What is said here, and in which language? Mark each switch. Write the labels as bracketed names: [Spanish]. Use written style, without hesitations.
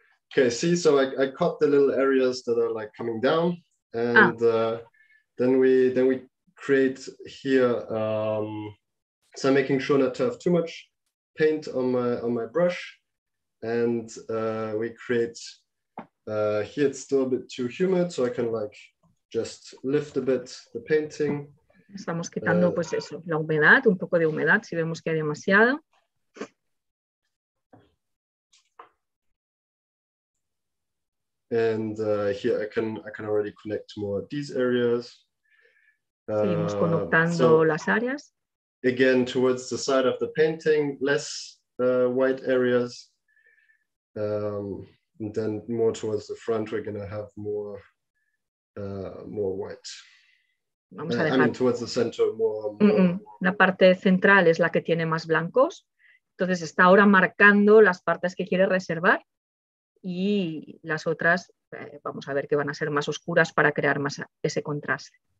[English] Okay, see, so I cut the little areas that are like coming down, and then we create here. So I'm making sure not to have too much paint on my brush, and we create, here it's still a bit too humid, so I can like just lift a bit the painting. [Spanish] Estamos quitando pues eso, la humedad, un poco de humedad, si vemos que hay demasiado. [English] And here I can already connect more of these areas. [Spanish] Seguimos conectando las áreas. [English] Again, towards the side of the painting, less white areas. And then more towards the front, we're going to have more more white. [Spanish] Vamos a dejar... [English] I mean, towards the center, more... [Spanish] La parte central es la que tiene más blancos. Entonces está ahora marcando las partes que quiere reservar. Y las otras, vamos a ver que van a ser más oscuras para crear más ese contraste.